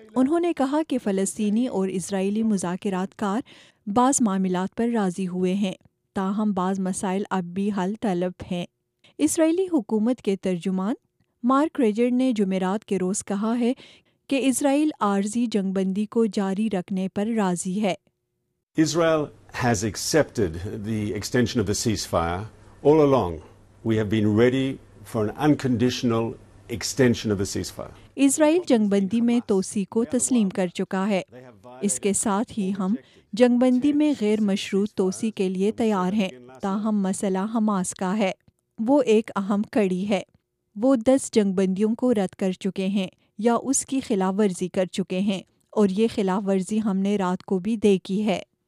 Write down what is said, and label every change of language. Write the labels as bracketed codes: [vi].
[ur] انہوں نے کہا کہ فلسطینی اور اسرائیلی مذاکرات کار بعض معاملات پر راضی ہوئے ہیں، تاہم بعض مسائل اب بھی حل طلب ہیں. اسرائیلی حکومت کے ترجمان مارک ریجر نے جمعرات کے روز کہا ہے کہ اسرائیل عارضی جنگ بندی کو جاری رکھنے پر راضی ہے. [en] Israel has accepted the extension of the ceasefire. All along we have been ready for an unconditional extension of the ceasefire. [ur] اسرائیل جنگ بندی میں توسیع کو تسلیم کر چکا ہے، اس کے ساتھ ہی ہم جنگ بندی میں غیر مشروط توسیع کے لیے تیار ہیں، تاہم مسئلہ حماس کا ہے، وہ ایک اہم کڑی ہے. وہ 10 جنگ بندیوں کو رد کر چکے ہیں یا اس کی خلاف ورزی کر چکے ہیں، اور یہ خلاف ورزی ہم نے رات کو بھی دیکھی ہے.